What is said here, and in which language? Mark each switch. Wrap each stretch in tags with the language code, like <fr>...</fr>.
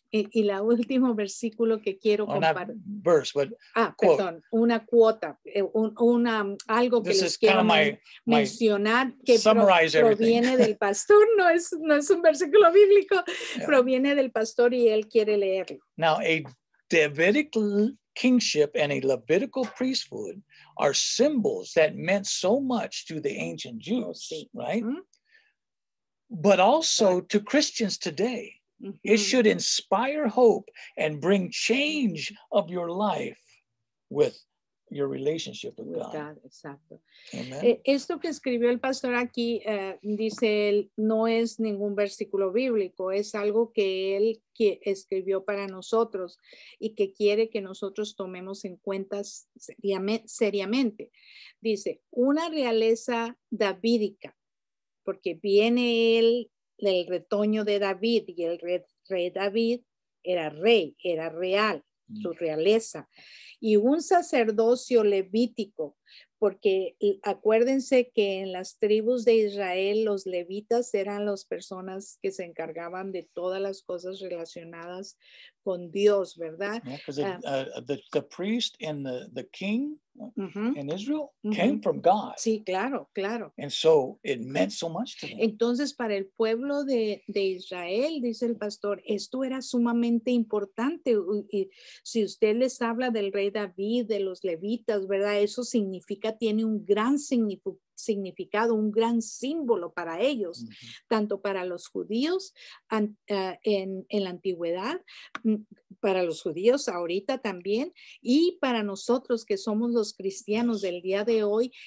<es>Y la último versículo que quiero compartir.</es> <en>Verse, but quote.</en> <es>Perdón, una cuota, algo que les quiero mencionar que proviene del pastor, no es un versículo bíblico, proviene del pastor y él quiere leerlo.</es> <en>Now, a Davidic kingship and a Levitical priesthood are symbols that meant so much to the ancient Jews, right? But also to Christians today. It should inspire hope and bring change of your life with your relationship with God.</en> <es>Exacto. Esto que escribió el pastor aquí, dice él, no es ningún versículo bíblico, es algo que él que escribió para nosotros y que quiere que nosotros tomemos en cuenta seriamente. Dice, una realeza davídica, porque viene él del retoño de David y el rey David era real, su realeza. Y un sacerdocio levítico, porque acuérdense que en las tribus de Israel los levitas eran las personas que se encargaban de todas las cosas relacionadas con Dios, ¿verdad?</es> <en>The priest and the king in Israel came from God.</en> <es>Sí, claro, claro.</es> <en>And so it meant so much to them.</en> <es>Entonces, para el pueblo de Israel, dice el pastor, esto era sumamente importante. Y si usted les habla del rey David, de los levitas, ¿verdad? Eso significa, tiene un gran significado, un gran símbolo para ellos, tanto para los judíos en la antigüedad, para los judíos ahorita también, y para nosotros que somos los cristianos del día de hoy.</es>